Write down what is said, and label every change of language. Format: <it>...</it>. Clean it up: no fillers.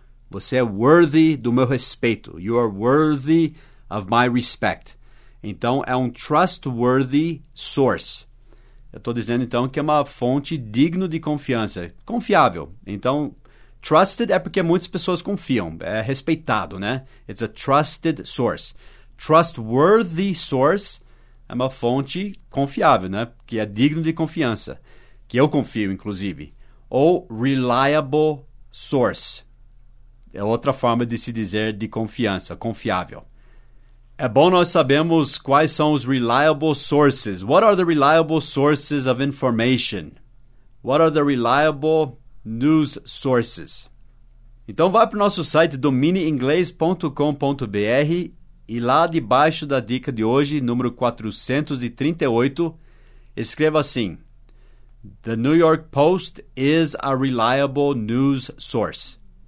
<pt>Você é worthy do meu respeito.</pt> <en>You are worthy of my respect.</en> <pt>Então, é um</pt> <en>trustworthy source.</en> <pt>Eu estou dizendo, então, que é uma fonte digno de confiança, confiável. Então, trusted é porque muitas pessoas confiam, é respeitado, né?</pt> <en>It's a trusted source. Trustworthy source</en> <pt>é uma fonte confiável, né? Que é digno de confiança, que eu confio, inclusive. Ou</pt> <en>reliable source</en> <pt>é outra forma de se dizer de confiança, confiável. É bom nós sabermos quais são os</pt> <en>reliable sources. What are the reliable sources of information? What are the reliable news sources?</en> <pt>Então, vai para o nosso site dominiinglês.com.br e lá debaixo da dica de hoje, número 438, escreva assim:</pt> <en>The New York Post is a reliable news source.</en>